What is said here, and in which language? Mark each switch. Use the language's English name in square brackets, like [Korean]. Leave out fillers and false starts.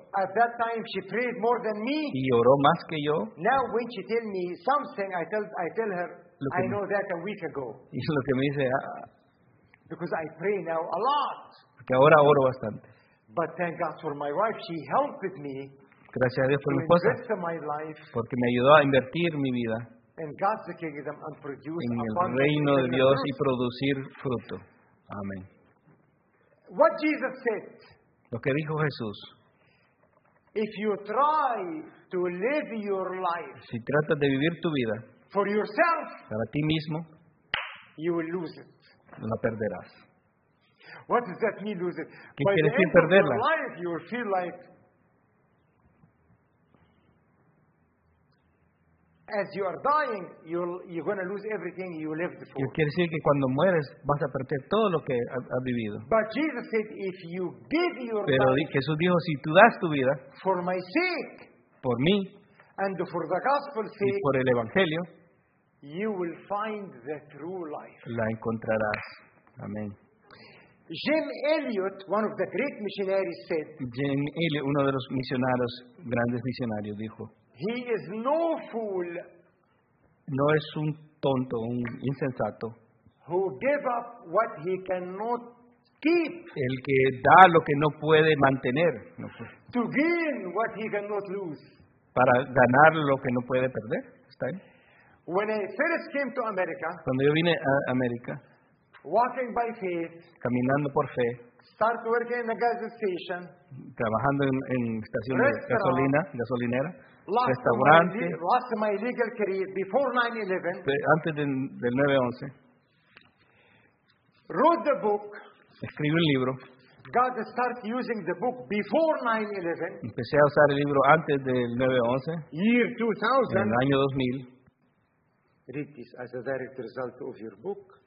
[English] At that time she prayed more than me. [Spanish] Y oró más que yo. [English] Now when she tell me something, I tell her I know that a week ago. [Spanish] Y lo que me dice. [English] Because I pray now a lot. [Spanish] Porque ahora oro bastante. [English] But thank God for my wife, she helped me. [Spanish] Gracias a Dios por mi esposa. [English] To invest my life. [Spanish] Porque me ayudó a invertir mi vida. [English] In God's kingdom and produce [Spanish] en el reino de Dios y producir fruto. Amén. [English] What Jesus said. [Spanish] Lo que dijo Jesús. [English] If you try to live your life, [Spanish] si tratas de vivir tu vida [English] for yourself, [Spanish] para ti mismo, [English] you will lose it. [Spanish] La perderás. [English] What does that mean, lose it? [Spanish] ¿Qué quiere decir perderla? [English] By the end of your life, you will feel like as you are dying, you're going to lose everything you lived for. [Spanish] Quiere decir que cuando mueres vas a perder todo lo que has vivido. [English] But Jesus said, if you give your life, [Spanish] pero Jesús dijo, si tú das tu vida, [English] for my sake, [Spanish] por mí, [English] and for the gospel's sake, [Spanish] y por el evangelio, [English] you will find the true life. [Spanish] La encontrarás. Amén. [English] Jim Elliot, one of the great missionaries, said. [Spanish] Jim Elliot, uno de los misioneros grandes misionarios, dijo. [English] He is no fool. [Spanish] No es un tonto, un insensato. [English] Who gave up what he cannot keep. [Spanish] El que da lo que no puede mantener. No puede. [English] To gain what he cannot lose. [Spanish] Para ganar lo que no puede perder. ¿Está bien? [English] When I first came to America, [Spanish] cuando yo vine a América, [English] walking by faith, [Spanish] caminando por fe, [English] start working in the gas station, [Spanish] trabajando en estación de gasolina, gasolinera, [English] lost [Spanish] restaurante, [English] lost my legal career before 9/11, [Spanish] antes del 9/11, [English] wrote the book, [Spanish] escribí un libro. [English] God start using the book before 9/11. [Spanish] Empecé a usar el libro antes del 9/11. [English] Year 2000. [Spanish] En el año 2000. [English] Read this as a direct result of your book.